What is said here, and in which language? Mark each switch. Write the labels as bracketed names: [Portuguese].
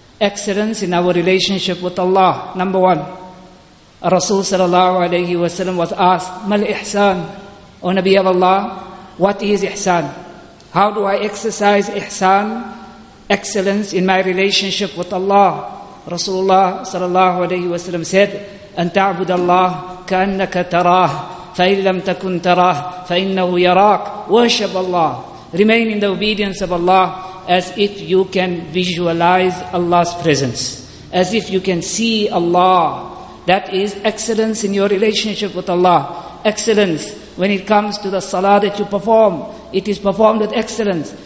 [English] Excellence in our relationship with Allah, number one. Rasul [Arabic] sallallahu alayhi wa sallam [English] was asked, [Arabic] Mal ihsan? [English] O Nabi of Allah, what is ihsan? How do I exercise ihsan, excellence in my relationship with Allah? [Arabic] Rasulullah sallallahu alayhi wa sallam [English] said, [Arabic] أن تعبد الله كأنك تراه فإن لم تكن تراه فإنه يراك. [English] Worship Allah. Remain in the obedience of Allah as if you can visualize Allah's presence, as if you can see Allah. That is excellence in your relationship with Allah. Excellence when it comes to the salah that you perform, it is performed with excellence.